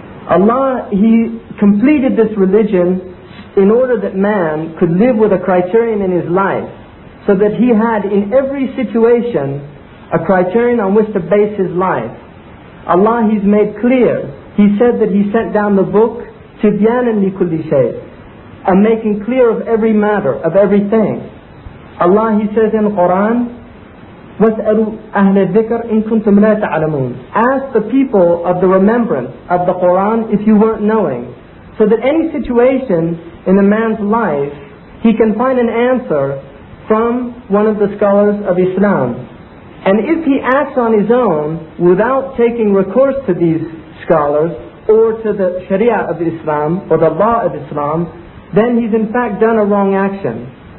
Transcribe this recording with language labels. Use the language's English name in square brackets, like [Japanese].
[English] Allah, He completed this religion in order that man could live with a criterion in his life, so that he had in every situation a criterion on which to base his life. Allah, He's made clear, He said that He sent down the book, [Arabic] Tibyanan li kulli shay, [English] a making clear of every matter, of everything. Allah, He says in the Quran, [Arabic] وَاسْأَلُوا أَهْلَ الذِّكَرْ إِن كُنْتُمْ لَا تَعْلَمُونَ. [English] Ask the people of the remembrance of the Quran if you weren't knowing. So that any situation in a man's life, he can find an answer from one of the scholars of Islam. And if he acts on his own without taking recourse to these scholars or to the Sharia of Islam or the law of Islam, then he's in fact done a wrong action.